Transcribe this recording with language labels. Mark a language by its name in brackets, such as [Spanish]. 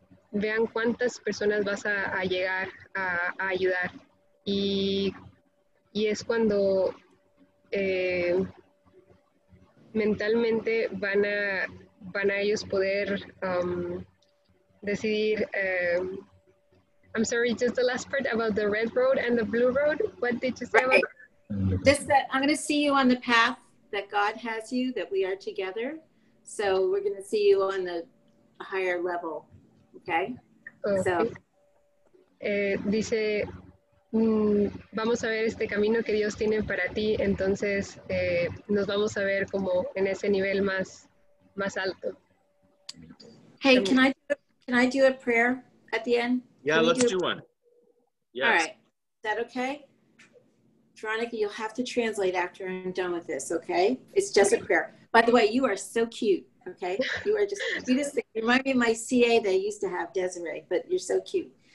[Spanish] vean cuántas personas vas a llegar a ayudar. Y es cuando mentalmente van a ellos poder decidir. [English] I'm sorry, just the last part about the red road and the blue road. What did you say about that? Just that I'm going to see you on the path that God has you, that we are together. So we're going to see you on the higher level. Okay. So. [Spanish] Dice, vamos a ver este camino que Dios tiene para ti, entonces nos vamos a ver como en ese nivel más alto. [English] Hey, can I do a prayer at the end? Yeah, let's do one. Yes. All right, is that okay? Veronica, you'll have to translate after I'm done with this, okay? It's just a prayer. By the way, you are so cute, okay? You are you remind me of my CA that I used to have, Desiree, but you're so cute.